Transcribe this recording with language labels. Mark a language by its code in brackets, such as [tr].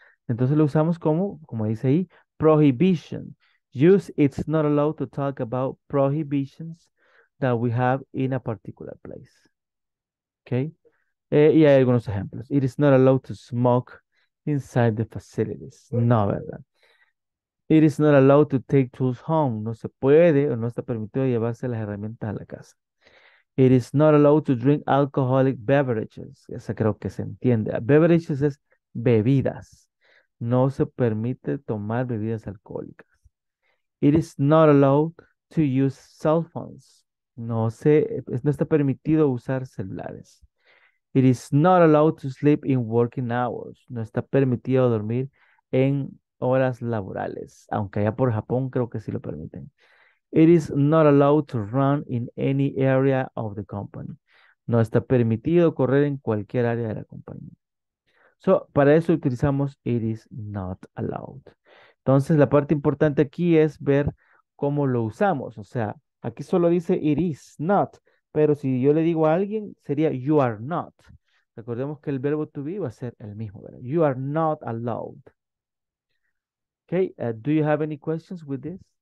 [es] Entonces lo usamos como, como dice ahí, prohibition. [en] Use it's not allowed to talk about prohibitions that we have in a particular place. Okay. [es] Y hay algunos ejemplos. [en] It is not allowed to smoke inside the facilities. [es] No, ¿verdad? [en] It is not allowed to take tools home. [es] No se puede o no está permitido llevarse las herramientas a la casa. [en] It is not allowed to drink alcoholic beverages. [es] Esa creo que se entiende. Beverages es bebidas. No se permite tomar bebidas alcohólicas. [en] It is not allowed to use cell phones. [es] No está permitido usar celulares. [en] It is not allowed to sleep in working hours. [es] No está permitido dormir en horas laborales. Aunque allá por Japón creo que sí lo permiten. [en] It is not allowed to run in any area of the company. [es] No está permitido correr en cualquier área de la compañía. So, para eso utilizamos [en] it is not allowed. [es] Entonces, la parte importante aquí es ver cómo lo usamos. O sea, aquí solo dice it is not, pero si yo le digo a alguien, sería you are not. Recordemos que el verbo to be va a ser el mismo, ¿verdad? [en] You are not allowed. Okay, do you have any questions with this?